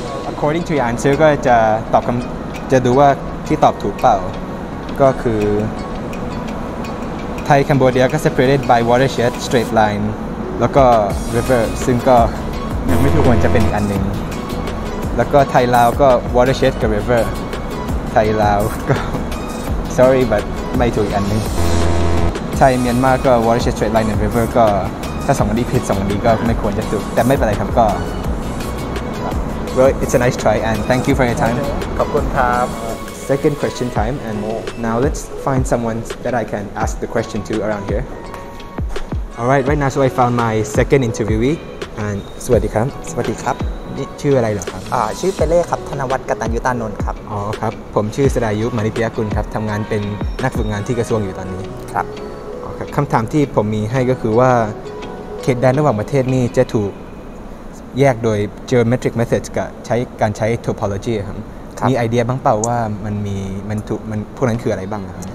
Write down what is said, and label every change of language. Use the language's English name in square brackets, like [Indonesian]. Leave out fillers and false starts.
[English] According to your answer, [Thai] ก็จะตอบคำจะดูว่าที่ตอบถูกเปล่าก็คือไทยกัมพูชาก็ [English] separated by watershed straight line [Thai] แล้วก็ river ซึ่งก็ยังไม่ถูกควรจะเป็นอีกอันหนึ่งแล้วก็ไทยลาวก็ watershed กับ river ไทยลาวก็ [English] sorry but [Thai] ไม่ถูกอีกอันหนึ่ง ไทยเมียนมาก็ [English] watershed straight line and river [Thai] ก็ถ้าสองอันนี้ผิดสองอันนี้ก็ไม่ควรจะถูกแต่ไม่เป็นไรครับก็ [English] well it's a nice try and thank you for your time [Thai] ขอบคุณครับ [English] second question time and now let's find someone that I can ask the question to around here all right now so I found my second interviewee and [Thai] สวัสดีครับ สวัสดีครับ ชื่ออะไรเหรอครับ ชื่อเปเล่ครับธนวัฒน์กตัญญุตานนท์ครับ อ๋อครับผมชื่อสดายุมานิปยกุลครับทำงานเป็นนักฝึกงานที่กระทรวงอยู่ตอนนี้ครับ คำถามที่ผมมีให้ก็คือว่าเขตแดนระหว่างประเทศนี่จะถูกแยกโดย [English] geometric methods [Thai] กับใช้การใช้ topology ครับมีไอเดียบ้างเปล่าว่ามันพวกนั้นคืออะไรบ้างครับ